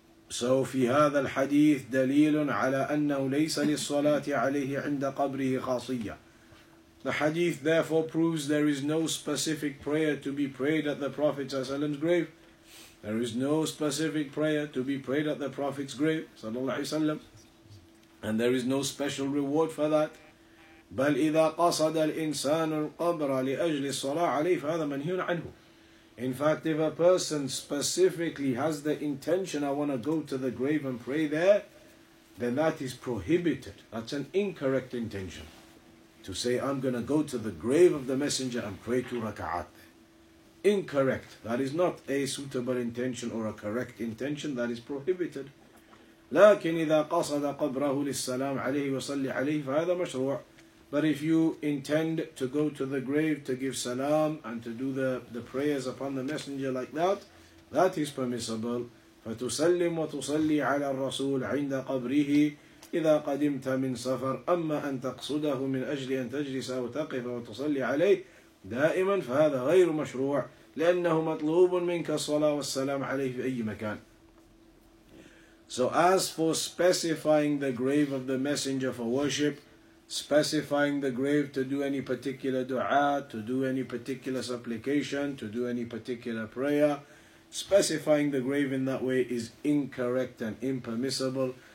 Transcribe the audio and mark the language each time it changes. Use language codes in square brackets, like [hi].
[ar] So في هذا الحديث دليل على أنه ليس للصلاة عليه عند قبره خاصية. [en] The hadith therefore proves there is no specific prayer to be prayed at the Prophet ﷺ's grave. There is no specific prayer to be prayed at the Prophet's grave, sallallahu alaihi wasallam, and there is no special reward for that. [ar] بل إذا قصد الإنسان القبر لأجل الصلاة عليه فهذا منهي عنه. [en] In fact, if a person specifically has the intention, I want to go to the grave and pray there, then that is prohibited. That's an incorrect intention. To say, I'm going to go to the grave of the messenger and pray two raka'at. Incorrect. That is not a suitable intention or a correct intention. That is prohibited. [ar] لكن إذا قصد قبره للسلام عليه وصلي عليه فهذا مشروع. [en] But if you intend to go to the grave to give salam and to do the prayers upon the messenger like that is permissible. [ar] فتسلم وتصلي على الرسول عند قبره إذا قدمت من سفر أما أن تقصده من أجل أن تجلس وتقف وتصلي عليه دائما فهذا غير مشروع لأنه مطلوب منك الصلاة والسلام عليه في أي مكان. [en] So as for specifying the grave of the messenger for worship, specifying the grave to do any particular dua, to do any particular supplication, to do any particular prayer, specifying the grave in that way is incorrect and impermissible.